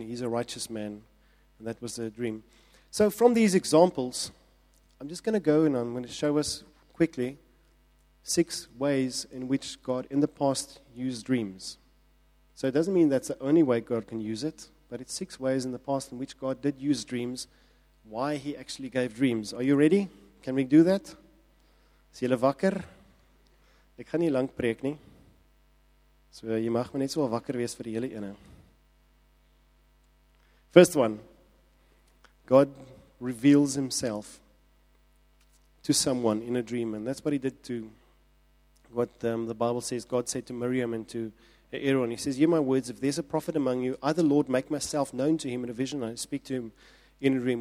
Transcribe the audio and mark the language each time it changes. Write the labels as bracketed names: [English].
[English] He's a righteous man." And that was the dream. So from these examples, I'm just going to go and I'm going to show us quickly 6 ways in which God in the past used dreams. So it doesn't mean that's the only way God can use it, but it's 6 ways in the past in which God did use dreams, why he actually gave dreams. Are you ready? Can we do that? [Afrikaans] Is jy wakker? Ek gaan nie lank preek nie. So jy mag maar net so wakker wees vir die hele ene. [English] First one, God reveals himself to someone in a dream, and that's what he did to what the Bible says. God said to Miriam and to Aaron, he says, "Hear my words, if there's a prophet among you, I the Lord make myself known to him in a vision, I speak to him in a dream."